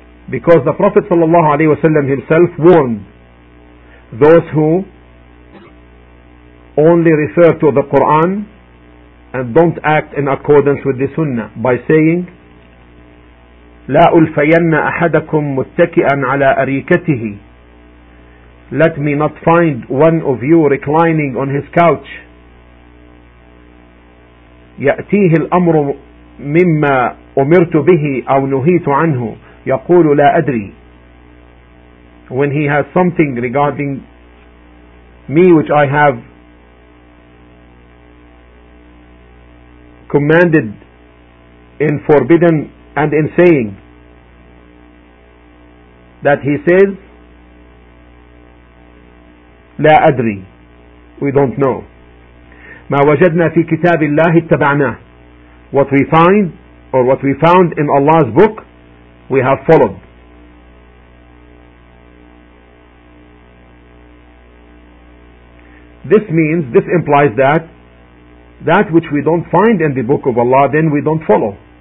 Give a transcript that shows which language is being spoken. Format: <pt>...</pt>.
<en>Because the Prophet sallallahu alaihi wasallam himself warned those who only refer to the Quran and don't act in accordance with the sunnah by saying,</en> <ar>لا ألفين أحدكم متكئا على أريكته.</ar> <en>Let me not find one of you reclining on his couch.</en> <ar>يأتيه الأمر مما أمرت به أو نهيت عنه يقول لا أدري.</ar> <en>When he has something regarding me which I have commanded in forbidden and in saying, that he says,</en> <ar>لا أدري,</ar> <en>we don't know.</en> <ar>ما وجدنا في كتاب الله اتبعناه.</ar> <en>What we find or what we found in Allah's book, we have followed. This implies that which we don't find in the book of Allah, then we don't follow.</en>